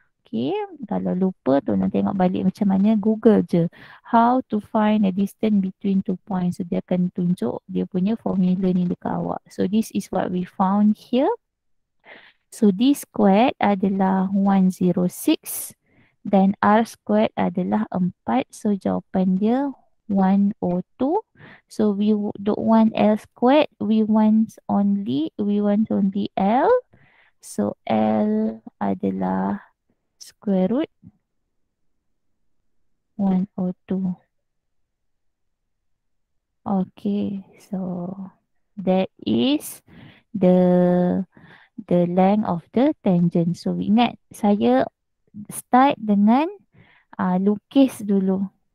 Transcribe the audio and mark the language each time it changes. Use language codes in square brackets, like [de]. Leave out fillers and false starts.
[ms] Okay, kalau lupa tolong tengok balik macam mana, Google je [en] how to find a distance between two points. [ms] So dia akan tunjuk dia punya formula ni dekat awak. [en] So this is what we found here. [ms] So D squared adalah 106 dan R squared adalah 4. So jawapan dia 102. [en] So we don't want L squared, we want only L. [ms] So L adalah square root 102. [en] Okay, so that is the length of the tangent. [ms] So ingat, saya start dengan lukis dulu.